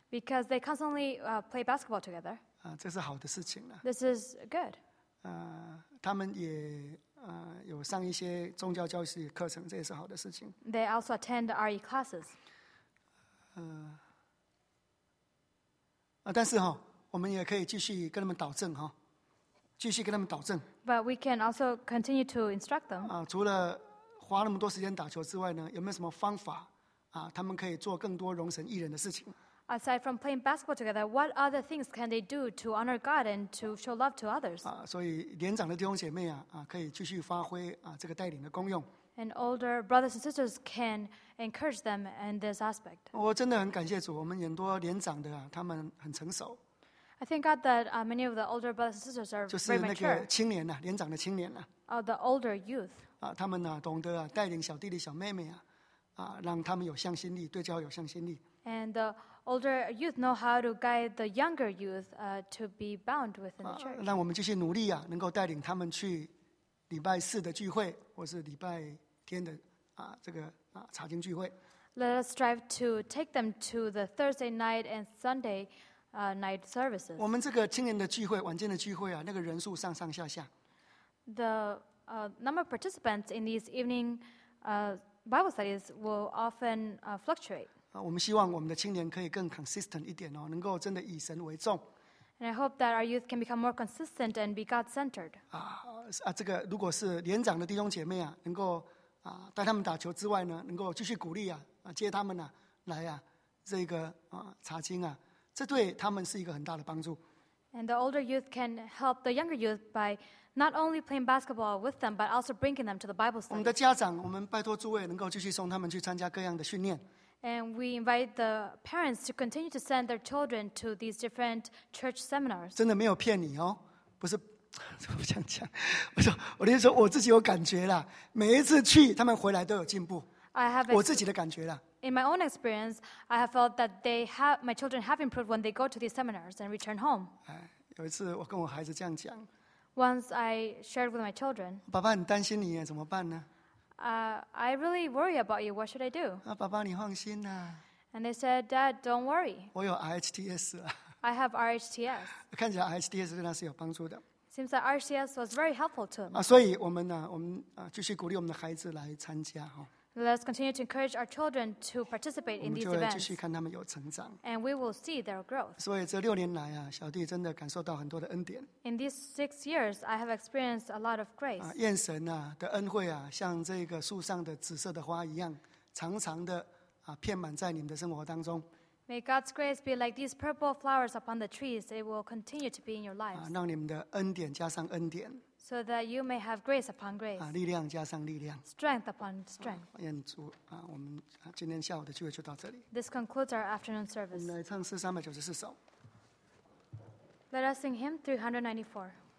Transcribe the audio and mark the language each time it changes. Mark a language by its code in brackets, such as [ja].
[en] Because they constantly play basketball together. [zh] 这是好的事情了。 [en] This is good. [zh] 他们也有上一些宗教教育课程，这也是好的事情。 [en] They also attend RE classes. [zh] 但是哈，我们也可以继续跟他们导正哈，继续跟他们导正。 [en] But we can also continue to instruct them. [zh] 除了花那么多时间打球之外呢，有没有什么方法？他们可以做更多荣神益人的事情。 [en] Aside from playing basketball together, what other things can they do to honor God and to show love to others? [zh] 所以年长的弟兄姐妹可以继续发挥这个带领的功用。 [en] And older brothers and sisters can encourage them in this aspect. [zh] 我真的很感谢主，我们很多年长的他们很成熟。 [en] I thank God that many of the older brothers and sisters are very mature. [zh] 就是那个青年年长的青年了。 [en] The older youth. [zh] 他们懂得带领小弟弟小妹妹让他们有向心力，对教有向心力。 [en] And the older youth know how to guide the younger youth to be bound within the church. [zh] 让我们继续努力能够带领他们去礼拜四的聚会，或是礼拜天的这个查经聚会。 [en] Let us strive to take them to the Thursday night and Sunday night services. [zh] 我们这个青年的聚会、晚间的聚会那个人数上上下下。 [en] The number of participants in these evening Bible studies will often fluctuate. [zh] 我们希望我们的青年可以更 consistent 一点能够真的以神为重。 [en] And I hope that our youth can become more consistent and be God-centered. [zh] 这个如果是年长的弟兄姐妹能够带他们打球之外呢，能够继续鼓励接他们来这个查经这对他们是一个很大的帮助。 [en] And the older youth can help the younger youth by not only playing basketball with them, but also bringing them to the Bible study. [zh] 我们的家长，我们拜托诸位能够继续送他们去参加各样的训练。 [en] And we invite the parents to continue to send their children to these different church seminars. [zh] 真的没有骗你哦，不是，怎么讲讲？我就说我自己有感觉啦，每一次去，他们回来都有进步。 [en] I have [zh] 我自己的感觉啦。 [en] In my own experience, I have felt that my children have improved when they go to these seminars and return home. [zh] 有一次我跟我孩子这样讲。 [en] Once I shared with my children. [zh] 爸爸很担心你，怎么办呢？ [en] I really worry about you. What should I do? [zh] 爸爸你放心啦。 [en] And they said, Dad, don't worry. [zh] 我有 RHTS [en] 啊。I have RHTS. [zh] 看起来 RHTS 对他是有帮助的。 [en] Seems that RHTS was very helpful to him. [zh] 所以我们继续鼓励我们的孩子来参加哈。 [en] Let's continue to encourage our children to participate in these events. [zh] 我们就继续看他们有成长。 [en] And we will see their growth. [zh] 所以这六年来小弟真的感受到很多的恩典。 [en] In these 6 years, I have experienced a lot of grace. [zh] 愿神的恩惠像这个树上的紫色的花一样，常常的遍满在你们的生活当中。 [en] May God's grace be like these purple flowers upon the trees. It will continue to be in your lives. [zh] 让你们的恩典加上恩典。 [en] So that you may have grace upon grace. [zh] 力量加上力量。 [en] Strength upon strength. [zh] 愿主我们今天下午的聚会就到这里。 [en] This concludes our afternoon service. [zh] 我们来唱诗394首。 [en] Let us sing hymn 394.